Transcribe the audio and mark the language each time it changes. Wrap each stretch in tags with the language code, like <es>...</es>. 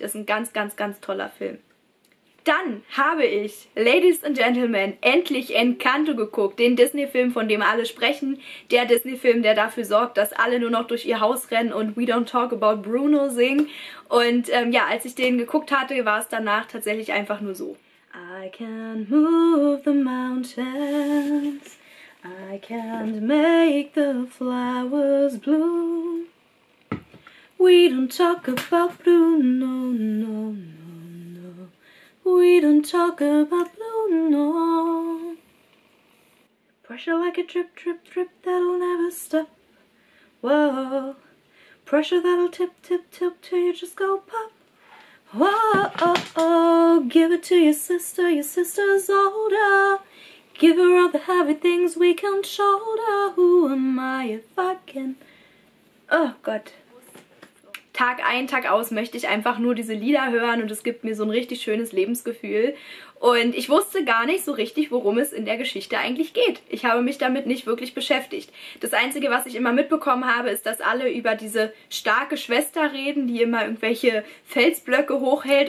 <de>Ist ein ganz, ganz, ganz toller Film. Dann habe ich,</de> <en>Ladies and Gentlemen,</en> <de>endlich Encanto geguckt. Den Disney-Film, von dem alle sprechen. Der Disney-Film, der dafür sorgt, dass alle nur noch durch ihr Haus rennen und We Don't Talk About Bruno singen. Und ja, als ich den geguckt hatte, war es danach tatsächlich einfach nur so.</de> <en>I can't move the mountains. I can't make the flowers bloom. We don't talk about Bruno, no, no. We don't talk about Bruno. Pressure like a drip, drip, drip that'll never stop. Whoa. Pressure that'll tip, tip, tip till you just go pop. Whoa, oh, oh. Give it to your sister's older. Give her all the heavy things we can shoulder. Who am I if I can?</en> <de>Oh Gott. Tag ein, Tag aus möchte ich einfach nur diese Lieder hören und es gibt mir so ein richtig schönes Lebensgefühl. Und ich wusste gar nicht so richtig, worum es in der Geschichte eigentlich geht. Ich habe mich damit nicht wirklich beschäftigt. Das Einzige, was ich immer mitbekommen habe, ist, dass alle über diese starke Schwester reden, die immer irgendwelche Felsblöcke hochhält.</de>